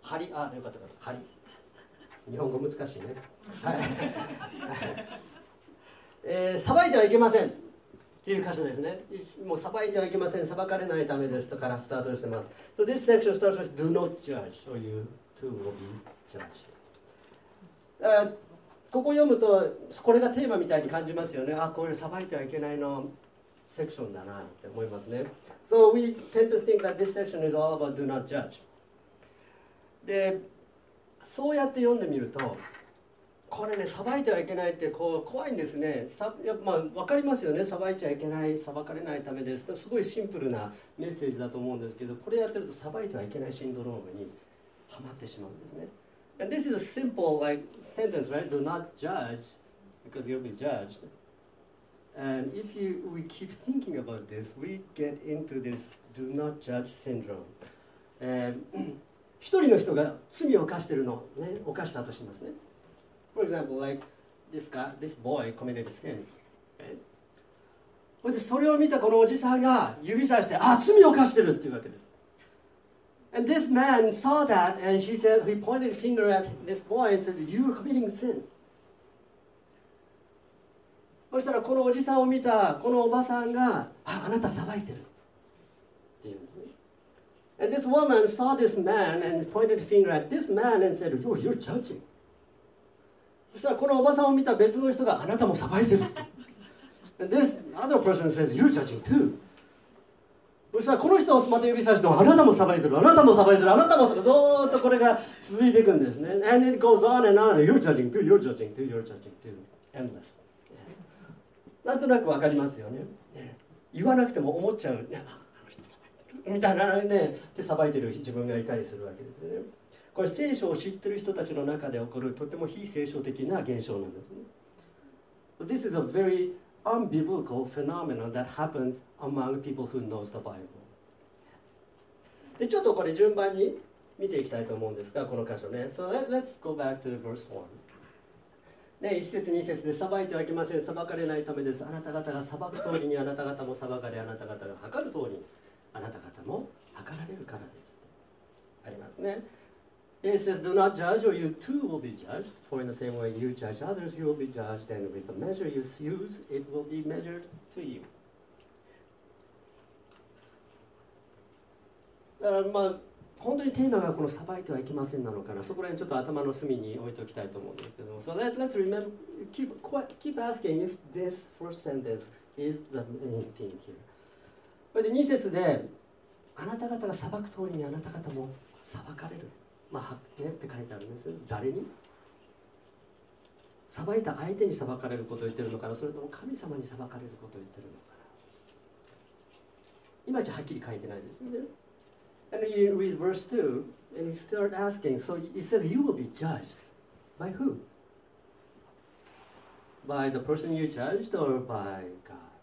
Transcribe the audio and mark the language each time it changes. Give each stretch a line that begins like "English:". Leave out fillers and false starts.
Japanese: 針、あ、よかったよかった。針。日本語難しいね。はい。裁いてはいけません。っていう箇所ですね。もう裁いてはいけません。裁かれないためですとからスタートしてます。
English: So this section starts with do not judge or you too will be judged。
Japanese: ここ読むとこれがテーマみたいに感じますよね。あ、こういう裁いてはいけないのセクションだなって思いますね。
English: So we tend to think that this section is all about do not judge。
Japanese: で、そうやって読んでみると、これね、裁いてはいけないってこう怖いんですね。まあ、分かりますよね。裁いちゃいけない、裁かれないためです。すごいシンプルなメッセージだと思うんですけど、これやってると裁いてはいけないシンドロームにはまってしまうんですね。
English: And this is a simple like sentence, right? Do not judge because you'll be judged. And if we keep thinking about this, we get into this do not judge syndrome.
Japanese: 一人の人が罪を犯してるのね、犯したとしますね。
English: For example, like this guy, this boy committed sin. Right?
Japanese: それを見たこのおじさんが指さして、あ、罪を犯してるっていうわけです。
English: And this man saw that and he said, he pointed a finger at this boy and said, you are committing sin.
Japanese: そしたらこのおじさんを見たこのおばさんが、あ、あなた裁いてるって言うんですね。
English: And this woman saw this man and pointed a finger at this man and said, you're judging.
Japanese: そしたらこのおばさんを見た別の人が、あなたも裁いてる。
English: And this other person says, you're judging too.
Japanese: そしたらこの人をまた指さしても、あなたも裁いてる、あなたも裁いてる、あなたも裁いてる、ずーっとこれが続いていくんですね。
English: And it goes on and on. You're judging too, you're judging too, you're judging too. Endless.
Japanese: なんとなくわかりますよね。言わなくても思っちゃう。あの人裁いてる。みたいなね。で、裁いてる自分がいたりするわけですね。これ、聖書を知ってる人たちの中で起こる、とても非聖書的な現象なんですね。
English: This is a veryUnbiblical phenomenon that happens among people who knows the Bible.
Japanese: で、ちょっとこれ順番に見ていきたいと思うんですが、この箇所ね。
English: So let's go back to verse 1.
Japanese: ね、一節二節で裁いてはいけません、裁かれないためです。あなた方が裁く通りにあなた方も裁かれ、あなた方が測る通りにあなた方も測られるからです。ありますね。
English: It says, do not judge or you too will be judged. For in the same way you judge others, you will be judged. And with the measure you use, it will be measured to you.
Japanese: だからまあ本当にテーマがこの裁いてはいけませんなのかな、そこら辺ちょっと頭の隅に置いておきたいと思うんですけども、
English: So let, let's remember, keep, quite, keep asking if this first sentence is the main thing here.
Japanese: それで2節で、あなた方が裁く通りにあなた方も裁かれる、まあ、ねって書いてあるんですよ。誰に裁いた、相手に裁かれることを言ってるのかな、それとも神様に裁かれることを言ってるのかな。今じゃはっきり書いてないですよね。
English: And you read verse 2, and you start asking, so it says you will be judged. By who? By the person you judged or by God?